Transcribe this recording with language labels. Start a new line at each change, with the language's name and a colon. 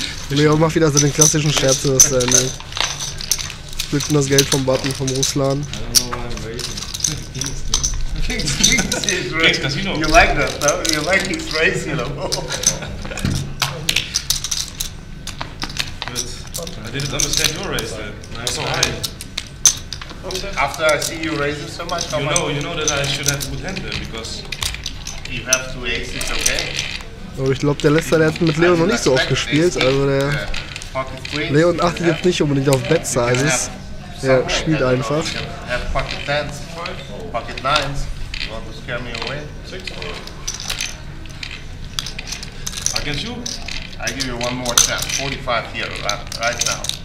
German: Leo macht wieder so den klassischen Scherz, dass er split das Geld vom Button vom Russland.
English: I don't know why I'm waiting. Kings is right. Kings Casino. You like that, though? You like his race, you know? I didn't understand your race then. I'm so high. After I see you raising so much, how much? You know that I should have a good hand there because. You have two aces, it's okay.
German: Aber ich glaube, der letzte hat mit Leon noch nicht so oft gespielt. Also der. Leon achtet jetzt nicht unbedingt auf Bet Sizes. Er spielt einfach.
English: Have pocket 10s, pocket 9s. You want to scare me away? 6 or. Against you? I give you one more chance, 45 here, right now.